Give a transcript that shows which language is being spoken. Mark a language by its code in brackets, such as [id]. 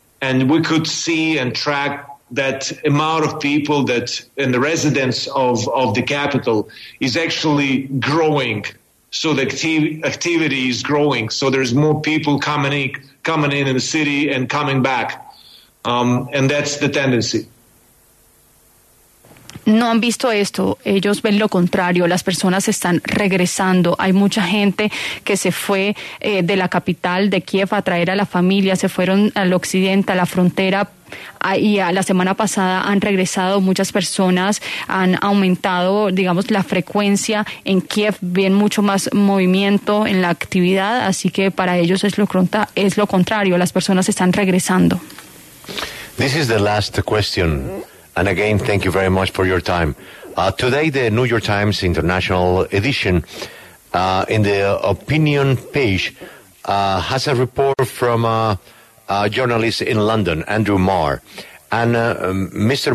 [en] And we could see and track that amount of people that in the residents of the capital is actually growing. So the activity is growing. So there's more people coming in the city and coming back. And that's the tendency. [es] No han visto esto, ellos ven lo contrario, las personas están regresando, hay mucha gente que se fue de la capital de Kiev a traer a la familia, se fueron al occidente, a la frontera, y la semana pasada han regresado muchas personas, han aumentado, digamos, la frecuencia en Kiev, ven mucho más movimiento en la actividad, así que para ellos es lo contrario, las personas están regresando. [en] This is the last question. And again, thank you very much for your time. Today, the New York Times International Edition, in the opinion page, has a report from a journalist in London, Andrew Marr. And Mr.